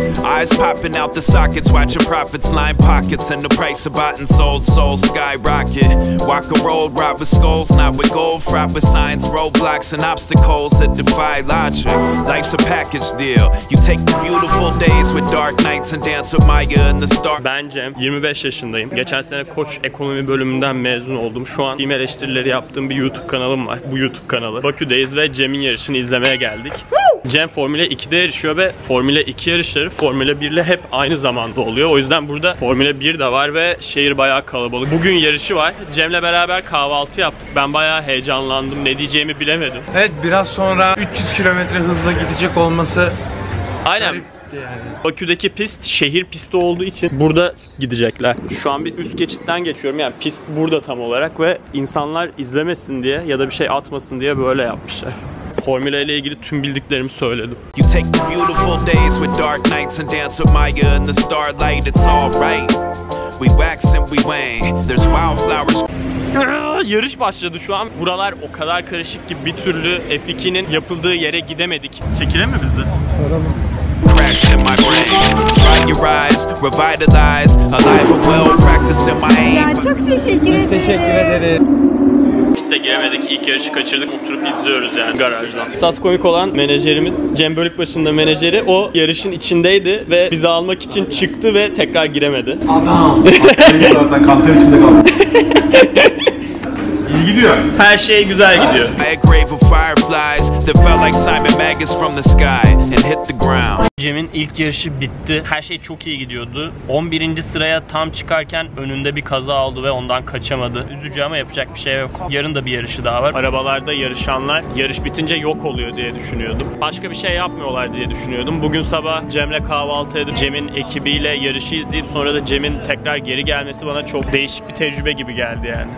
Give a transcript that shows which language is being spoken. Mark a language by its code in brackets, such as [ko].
[en] Eyes popping out the sockets, watching profits line pockets, and the price of bought and sold souls skyrocket. Walk a road robbed with skulls, not with gold, fraught with signs, roadblocks, and obstacles that defy logic. Life's a package deal. You take the beautiful days with dark nights and dance with Maya in the star. [tr] Ben Cem, 25 yaşındayım. Geçen sene Koç Ekonomi bölümünden mezun oldum. Şu an film eleştirileri yaptığım bir YouTube kanalım var. Bu YouTube kanalı. Bakü'deyiz ve Cem'in yarışını izlemeye geldik. Cem Formula 2'de yarışıyor ve Formula 2 yarışları Formula 1 ile hep aynı zamanda oluyor. O yüzden burada Formula 1 de var ve şehir bayağı kalabalık. Bugün yarışı var. Cem'le beraber kahvaltı yaptık. Ben bayağı heyecanlandım. Ne diyeceğimi bilemedim. Evet, biraz sonra 300 km hızla gidecek olması... Aynen. Garip. Yani. Bakü'deki pist şehir pisti olduğu için burada gidecekler. Şu an bir üst geçitten geçiyorum. Yani pist burada tam olarak ve insanlar izlemesin diye ya da bir şey atmasın diye böyle yapmışlar. Formula ile ilgili tüm bildiklerimi söyledim. [en] You take the beautiful days with dark nights and dance with Maya in the starlight. It's all right. We wax and we wane. There's wildflowers. [tr] Yarış başladı şu an. Buralar o kadar karışık ki bir türlü F2'nin yapıldığı yere gidemedik. Çekilir mi bizde? Soralım. [en] Cracks in my brain, dry your eyes, revitalize, alive and well, practicing my aim. [tr] Ya çok teşekkür ederim. Teşekkür ederim. Biz de giremedik, ilk yarışı kaçırdık, oturup izliyoruz yani garajdan. Esas komik olan menajerimiz, Cem Bölükbaşı'nın da menajeri, o yarışın içindeydi ve bizi almak için çıktı ve tekrar giremedi. Adam! Kantar içinde kaldı. Gidiyor. Her şey güzel gidiyor. [en] I had grave of fireflies that felt like Simon Magus from the sky and hit the ground. [tr] Cem'in ilk yarışı bitti. Her şey çok iyi gidiyordu. 11. sıraya tam çıkarken önünde bir kaza oldu ve ondan kaçamadı. Üzücü ama yapacak bir şey yok. Yarın da bir yarışı daha var. Arabalarda yarışanlar yarış bitince yok oluyor diye düşünüyordum. Başka bir şey yapmıyorlar diye düşünüyordum. Bugün sabah Cem'le kahvaltı edip Cem'in ekibiyle yarışı izleyip sonra da Cem'in tekrar geri gelmesi bana çok değişik bir tecrübe gibi geldi yani.